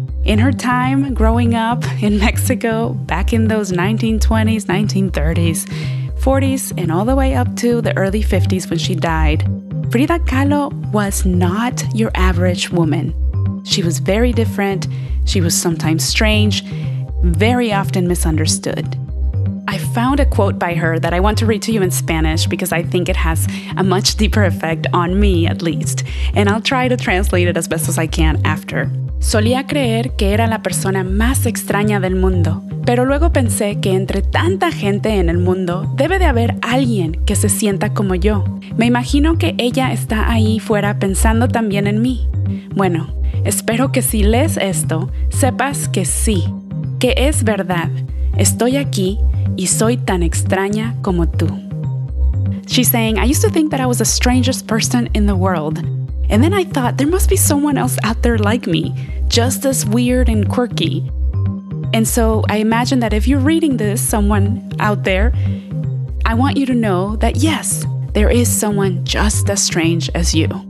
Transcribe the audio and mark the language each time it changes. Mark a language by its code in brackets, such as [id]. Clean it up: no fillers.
[en] In her time growing up in Mexico, back in those 1920s, 1930s, 40s, and all the way up to the early 50s when she died, Frida Kahlo was not your average woman. She was very different. She was sometimes strange, very often misunderstood. I found a quote by her that I want to read to you in Spanish because I think it has a much deeper effect on me, at least. And I'll try to translate it as best as I can after. [es] Solía creer que era la persona más extraña del mundo, pero luego pensé que entre tanta gente en el mundo debe de haber alguien que se sienta como yo. Me imagino que ella está ahí fuera pensando también en mí. Bueno, espero que si lees esto, sepas que sí, que es verdad. Estoy aquí y soy tan extraña como tú. [en] She's saying, I used to think that I was the strangest person in the world. And then I thought, there must be someone else out there like me, just as weird and quirky. And so I imagine that if you're reading this, someone out there, I want you to know that yes, there is someone just as strange as you.